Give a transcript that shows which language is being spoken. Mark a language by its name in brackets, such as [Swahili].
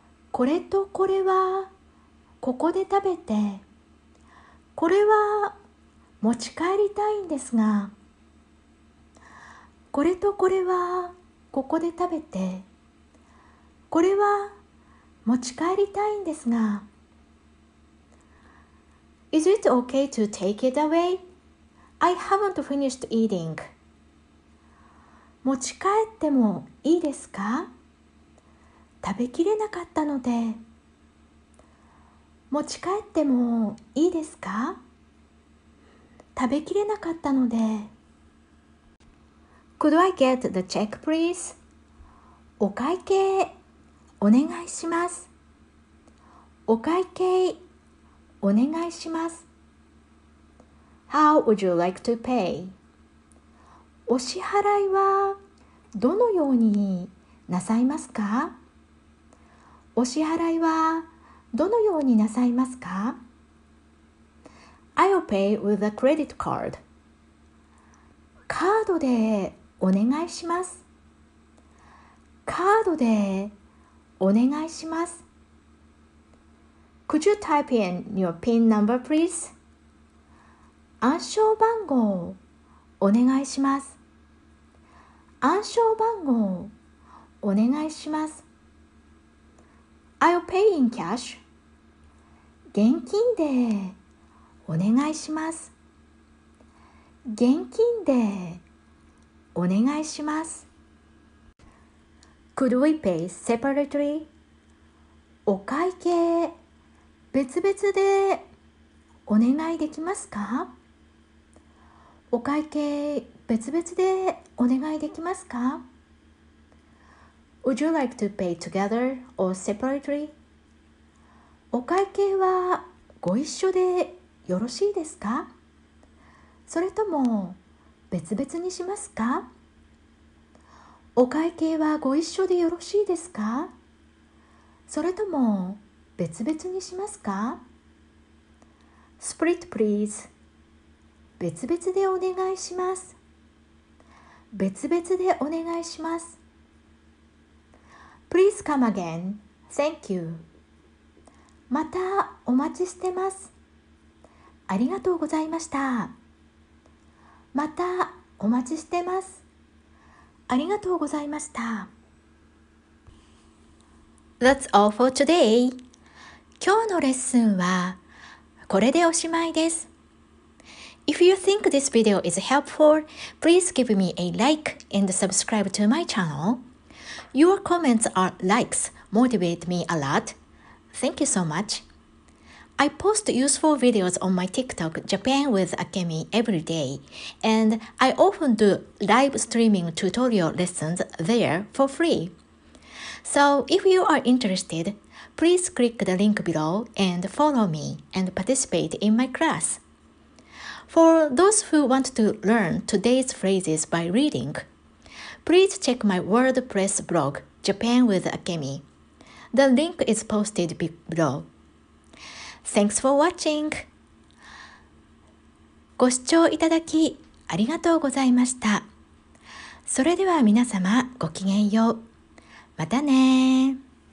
[Japanese] これとこれはここで食べて、これは持ち帰りたいんですが、これとこれはここで食べて、これは持ち帰りたいんですが。 [English] Is it okay to take it away? I haven't finished eating. [Japanese] 持ち帰ってもいいですか？食べきれなかったので。持ち帰ってもいいですか？食べきれなかったので。 [English] Could I get the check, please? [Japanese] お会計、お願いします。お会計、お願いします。 [English] How would you like to pay? [Japanese] お支払いは、どのようになさいますか？お支払いは、どのようになさいますか？ [English] I'll pay with a credit card. [Japanese] カードでお願いします。カードでお願いします。 [English] Could you type in your PIN number, please? [Japanese] 暗証番号お願いします。暗証番号お願いします。 [English] I'll pay in cash. [Japanese] 現金でお願いします。現金でお願いします。 [English] Could we pay separately? [Japanese] お会計別々でお願いできますか？お会計別々でお願いできますか？ [English] Would you like to pay together or separately? [Japanese] お会計はご一緒でよろしいですか？それとも別々にしますか？お会計はご一緒でよろしいですか？それとも別々にしますか？ [English] Split please. [Japanese] 別々でお願いします。別々でお願いします。 [English] Please come again. Thank you. [Japanese] またお待ちしてます。ありがとうございました。またお待ちしてます。ありがとうございました。 [English] That's all for today. [Japanese] 今日のレッスンはこれでおしまいです。 [English] If you think this video is helpful, please give me a like and subscribe to my channel. Your comments or likes motivate me a lot. Thank you so much. I post useful videos on my TikTok, Japan with Akemi, every day, and I often do live streaming tutorial lessons there for free. So if you are interested, please click the link below and follow me and participate in my class. For those who want to learn today's phrases by reading, please check my WordPress blog, Japan with Akemi. The link is posted below. Thanks for watching! [Japanese] ご視聴いただきありがとうございました。それでは皆様ごきげんよう。またねー。